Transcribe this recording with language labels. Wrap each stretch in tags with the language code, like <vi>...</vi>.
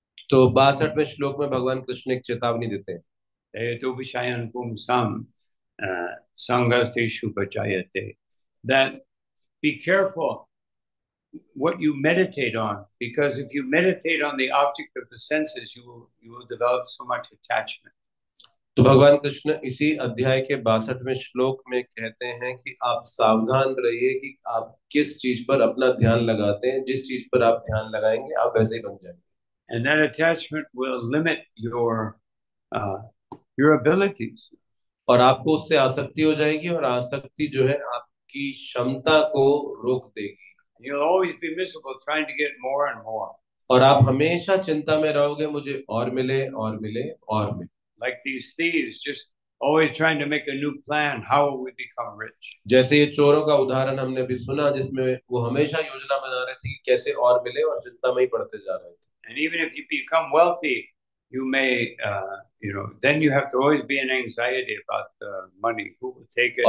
<hi>तो 62वें श्लोक में भगवान कृष्ण एक चेतावनी देते हैं.</hi> <sa>एतो विषयान् पुंसाम Sangasteshu Bachayate,</sa> <en>that be careful what you meditate on, because if you meditate on the object of the senses, you will develop so much attachment.</en> <hi>तो भगवान कृष्ण इसी अध्याय के 62वें श्लोक में कहते हैं कि आप सावधान रहिए कि आप किस चीज पर अपना ध्यान लगाते हैं जिस चीज पर आप ध्यान लगाएंगे आप वैसे ही बन जाएंगे.</hi> <en>And that attachment will limit your abilities.</en> <hi>और आपको उससे आसक्ति हो जाएगी और आसक्ति जो है आपकी क्षमता को रोक देगी.</hi> <en>You'll always be miserable trying to get more and more.</en> <hi>और आप हमेशा चिंता में रहोगे मुझे और मिले और मिले और मिले.</hi> <en>Like these thieves, just always trying to make a new plan. How will we become rich?</en> <hi>जैसे ये चोरों का उदाहरण हमने भी सुना जिसमें वो हमेशा योजना बना रहे थे कि कैसे और मिले और चिंता में ही पड़ते जा रहे थे.</hi> <en>And even if you become wealthy, you may then you have to always be in anxiety about the money who will take it</en>